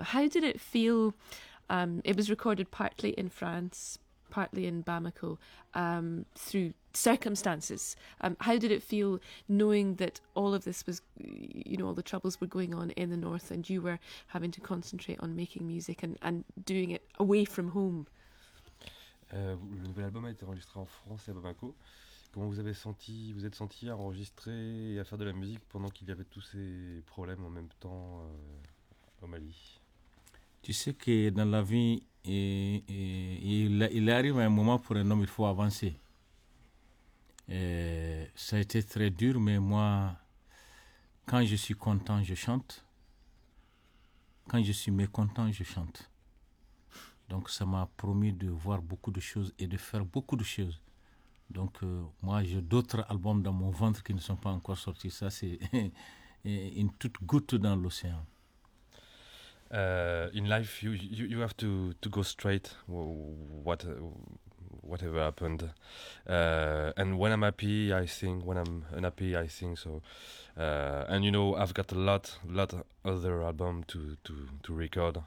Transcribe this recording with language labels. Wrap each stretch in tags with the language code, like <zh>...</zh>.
<en>How did it feel? It was recorded partly in France, partly in Bamako, through circumstances. How did it feel knowing that all of this was, you know, all the troubles were going on in the north and you were having to concentrate on making music and doing it away from home?</en> <fr>Le nouvel album a été enregistré en France à Bamako. Comment vous avez senti, vous êtes senti à enregistrer et à faire de la musique pendant qu'il y avait tous ces problèmes en même temps au Mali? Tu sais que dans la vie, il arrive un moment pour un homme, il faut avancer. Et ça a été très dur, mais moi, quand je suis content, je chante. Quand je suis mécontent, je chante. Donc ça m'a promis de voir beaucoup de choses et de faire beaucoup de choses. Donc moi, j'ai d'autres albums dans mon ventre qui ne sont pas encore sortis. Ça, c'est une toute goutte dans l'océan.</fr> <en>In life, you have to go straight, whatever happened. And when I'm happy, I sing. When I'm unhappy, I sing. So, and you know, I've got a lot other album to record.</en>